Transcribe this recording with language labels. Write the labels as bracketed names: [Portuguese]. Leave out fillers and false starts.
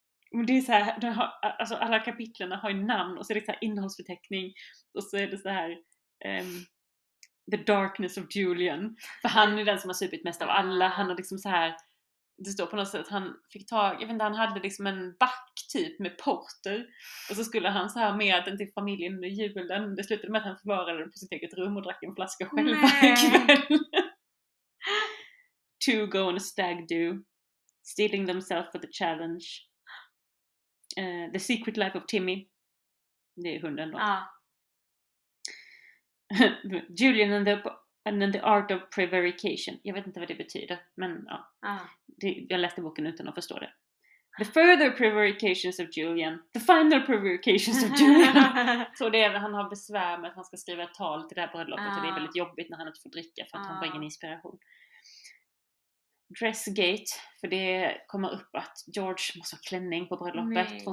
[Swedish] Men det är så här, de har, alltså alla kapitlen har ju namn och så är det så här innehållsförteckning och så är det så här The Darkness of Julian, för han är den som har supit mest av alla. Han har liksom så här, det står på något sätt att han fick tag, jag vet inte, han hade liksom en back typ med porter och så skulle han så här med den till familjen under julen. Det slutade med att han förvarade den på sitt eget rum och drack en flaska själv varje kväll. [English] Two go on a stag do, stealing themselves for the challenge. The Secret Life of Timmy. [Swedish] Det är hunden då. [English] Julian and the Art of Prevarication. [Swedish] Jag vet inte vad det betyder. Men ja. Jag läste boken utan att förstå det. [English] The Further Prevarications of Julian. The Final Prevarications of Julian. [Swedish] Så det är när han har besvär med att han ska skriva ett tal till det här bröllopet. Och det är väldigt jobbigt när han inte får dricka för att han får ingen inspiration. Dressgate, för det kommer upp att George måste ha klänning på bröllopet. Nej.